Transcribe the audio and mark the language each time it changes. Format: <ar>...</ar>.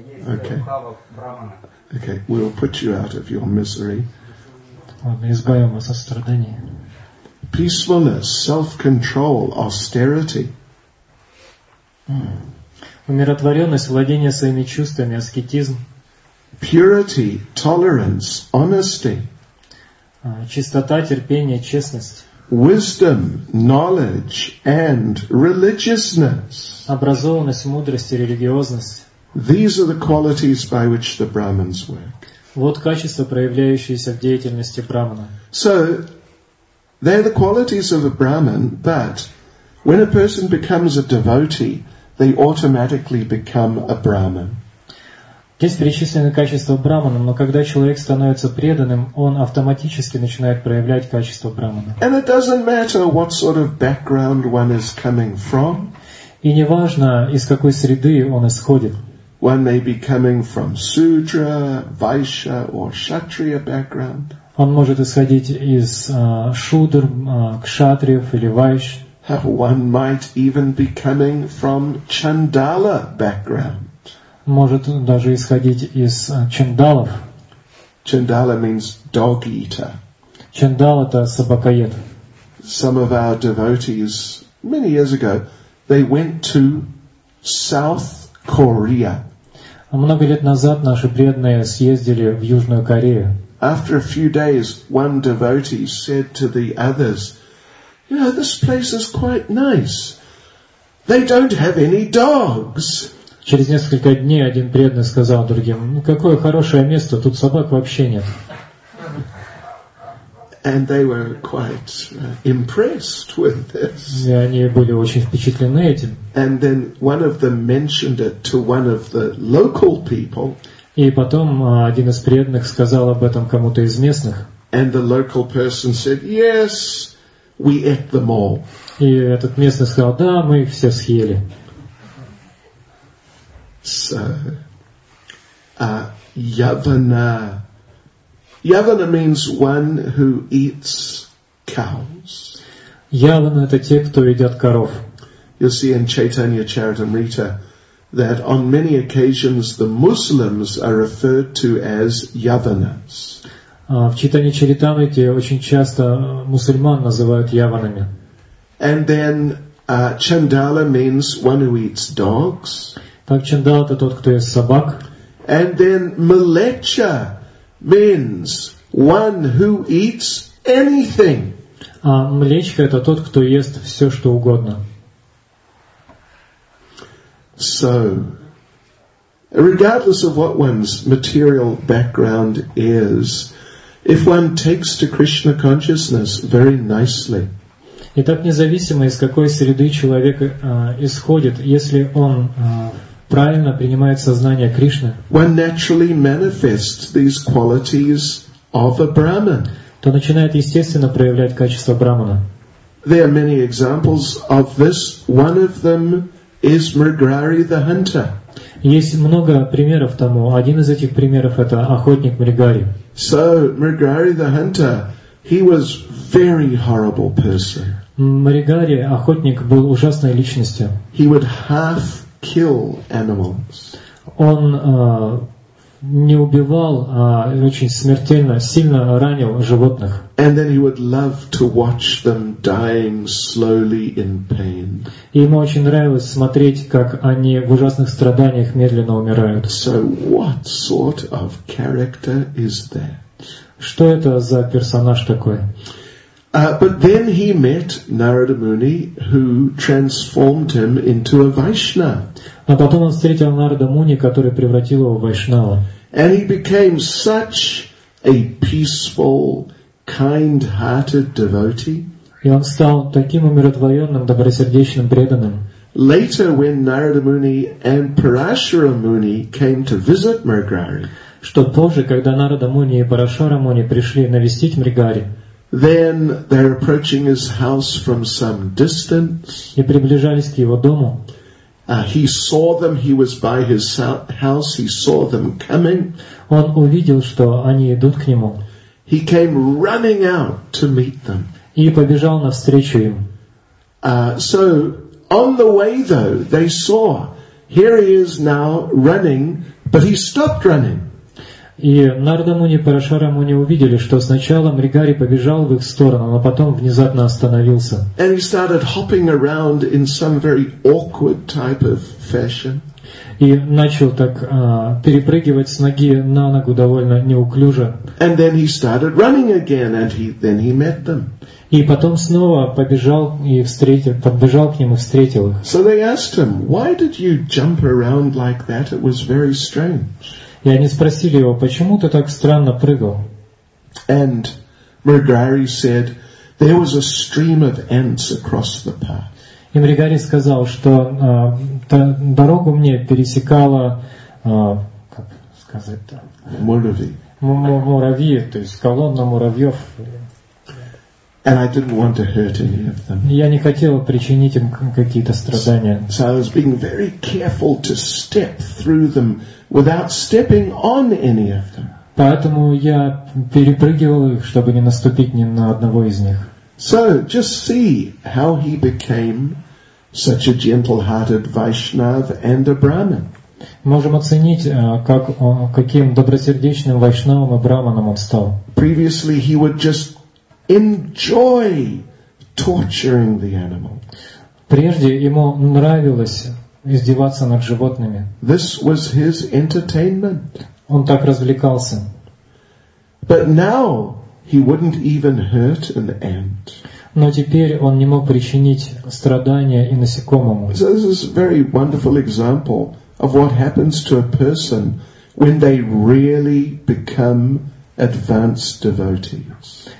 <en>Okay, we will put you out of your misery.</en> <ru>Избавим вас от страданий.</ru> <en>Peacefulness, self-control, austerity.</en> <ru>Умиротворенность, владение своими чувствами, аскетизм.</ru> <en>Purity, tolerance, honesty.</en> <ru>чистота, терпение, честность.</ru> <en>Wisdom, knowledge, and religiousness.</en> <ru>Образованность, мудрость и религиозность.</ru> <en>These are the qualities by which the Brahmins work.</en> <ru>Вот качества, проявляющиеся в деятельности Брахмана.</ru> <en>So, they're the qualities of a Brahmin, but when a person becomes a devotee, they automatically become a Brahmin.</en> <ru>Здесь перечислены качества брахмана, но когда человек становится преданным, он автоматически начинает проявлять качество брахмана.</ru> <en>And it doesn't matter what sort of background one is coming from.</en> <ru>И не важно, из какой среды он исходит.</ru> <en>One may be coming from Sudra, Vaishya or Kshatriya background.</en> <ru>Он может исходить из шудр, кшатриев или вайш.</ru> <en>One might even be coming from Chandala background.</en> <ru>Может даже исходить из чандалов.</ru> <en>Chandala means dog eater.</en> <ru>Чандал — это собакоед.</ru> <en>Some of our devotees many years ago, they went to South Korea.</en> <ru>Много лет назад наши преданные съездили в Южную Корею.</ru> <en>After a few days, one devotee said to the others, "Yeah, this place is quite nice. They don't have any dogs."</en> <ru>Через несколько дней один преданный сказал другим: «Какое хорошее место, тут собак вообще нет».</ru> <en>And they were quite impressed with this.</en> <ru>И они были очень впечатлены этим.</ru> <en>And then one of them mentioned it to one of the local people.</en> <ru>И потом один из преданных сказал об этом кому-то из местных.</ru> <en>And the local person said, "Yes, we ate them all."</en> <ru>И этот местный сказал: «Да, мы их все съели».</ru> <en>So, yavana. Yavana means one who eats cows.</en> <ru>Yavana — это те, кто едят коров.</ru> <en>You see in Chaitanya Charitamrita that on many occasions the Muslims are referred to as yavanas.</en> <ru>В Чайтанья Чаритамрите очень часто мусульман называют яванами.</ru> <en>And then chandala means one who eats dogs.</en> <ru>Так, чандал — это тот, кто ест собак.</ru> <en>And then mlecha means one who eats anything.</en> <ru>А млечка — это тот, кто ест все, что угодно.</ru> <en>So, regardless of what one's material background is, if one takes to Krishna consciousness very nicely.</en> <ru>Итак, независимо из какой среды человек исходит, если он правильно принимает сознание Кришны,</ru> <en>one naturally manifests these qualities of a Brahman.</en> <ru>То начинает естественно проявлять качество брахмана.</ru> <en>There are many examples of this. One of them is Mrigari the hunter.</en> <ru>Есть много примеров тому. Один из этих примеров — это охотник Мригари.</ru> <en>So Mrigari the hunter, he was very horrible person.</en> <ru>Мригари, охотник, был ужасной личностью.</ru> <en>He would half kill animals.</en> <ru>Он не убивал, а очень смертельно, сильно ранил животных.</ru> <en>And then he would love to watch them dying slowly in pain.</en> <ru>И ему очень нравилось смотреть, как они в ужасных страданиях медленно умирают.</ru> <en>So what sort of character is that?</en> <ru>Что это за персонаж такой?</ru> <en>But then he met Narada Muni, who transformed him into a Vaishnava.</en> <ru>Но потом он встретил Нарада Муни, который превратил его в вайшнава.</ru> <en>And he became such a peaceful, kind-hearted devotee.</en> <ru>И он стал таким умиротворенным, добросердечным, преданным.</ru> <en>Later, when Narada Muni and Parashara Muni came to visit Mrigari,</en> <ru>что позже, когда Нарада Муни и Парашара Муни пришли навестить Мригари,</ru> <en>then they're approaching his house from some distance.</en> <ru>И приближались к его дому.</ru> <en>He saw them. He was by his house. He saw them coming.</en> <ru>Он увидел, что они идут к нему.</ru> <en>He came running out to meet them.</en> <ru>И побежал навстречу им.</ru> <en>So on the way, though, they saw here he is now running, but he stopped running.</en> <ru>И Нарада Муни и Парашара Муни увидели, что сначала Мригари побежал в их сторону, но потом внезапно остановился.</ru> <en>And he started hopping around in some very awkward type of fashion.</en> <ru>И начал так перепрыгивать с ноги на ногу довольно неуклюже.</ru> <en>And then he started running again, and then he met them.</en> <ru>И потом снова подбежал к ним и встретил их.</ru> <en>So they asked him, why did you jump around like that? It was very strange.</en> <ru>И они спросили его, почему ты так странно прыгал?</ru> <en>And Mrigari said, there was a stream of ants across the path.</en> <ru>И Мригари сказал, что дорогу мне пересекала, как сказать-то? Муравьи. Муравьи, то есть колонна муравьев.</ru> <en>And I didn't want to hurt any of them.</en> <ru>Я не хотел причинить им какие-то страдания.</ru> <en>So I was being very careful to step through them without stepping on any of them.</en> <ru>Поэтому я перепрыгивал их, чтобы не наступить ни на одного из них.</ru> <en>So just see how he became such a gentle-hearted Vaishnava and a Brahmin.</en> <ru>Можем оценить, как он, каким добросердечным вайшнавом и браманом он стал.</ru> <en>Previously he would just enjoy torturing the animal.</en> <ru>Прежде ему нравилось издеваться над животными.</ru> <en>This was his entertainment.</en> <ru>Он так развлекался.</ru> <en>But now he wouldn't even hurt an ant.</en> <ru>Но теперь он не мог причинить страдания и насекомому.</ru> <en>So this is a very wonderful example of what happens to a person when they really become advanced devotees.</en>